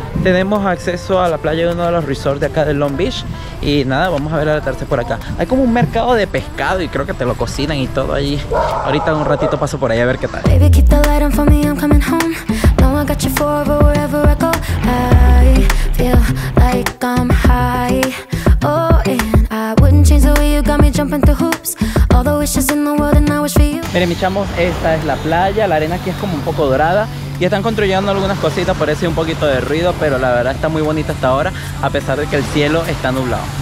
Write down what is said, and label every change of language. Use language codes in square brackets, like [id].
[es] Tenemos acceso a la playa de uno de los resorts de acá de Long Beach. Y nada, vamos a ver el atardecer por acá. Hay como un mercado de pescado y creo que te lo cocinan y todo allí. Ahorita un ratito paso por ahí a ver qué tal. [en] Baby, keep the light on for me, I'm coming home. No, I got you for, but wherever I go, I feel like I'm high. Oh, and I wouldn't change the way you got me jumping through hoops. All the wishes in the world and I wish for you. [es] Miren, mis chamos, esta es la playa. La arena aquí es como un poco dorada. Y están construyendo algunas cositas, por eso hay un poquito de ruido. Pero la verdad está muy bonita hasta ahora, a pesar de que el cielo está nublado.